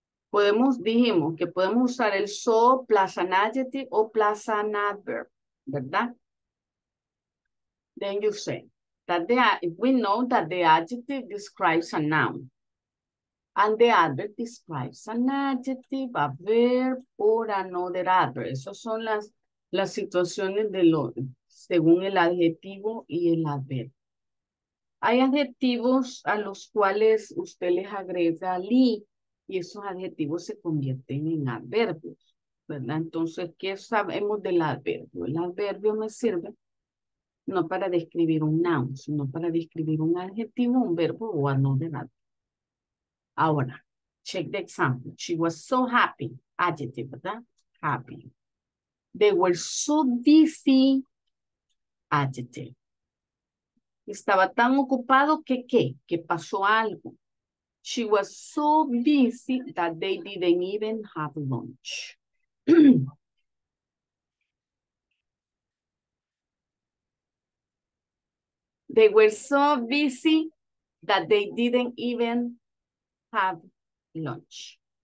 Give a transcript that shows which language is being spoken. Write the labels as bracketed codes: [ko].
[es] Dijimos que podemos usar el so, [en] plus an adjective [es] o [en] plus an adverb, [es] ¿verdad? [en] Then you say that we know that the adjective describes a noun and the adverb describes an adjective, a verb, or another adverb. [es] Esas son las situaciones de lo según el adjetivo y el adverb. Hay adjetivos a los cuales usted les agrega li y esos adjetivos se convierten en adverbios, ¿verdad? Entonces, ¿qué sabemos del adverbio? El adverbio me sirve no para describir un noun, sino para describir un adjetivo, un verbo o [en] another adverb. Ahora, check the example. She was so happy. Adjective, [es] ¿verdad? [en] Happy. They were so busy. Adjective. [es] Estaba tan ocupado que qué, que pasó algo. [en] She was so busy that they didn't even have lunch. They were so busy that they didn't even have lunch.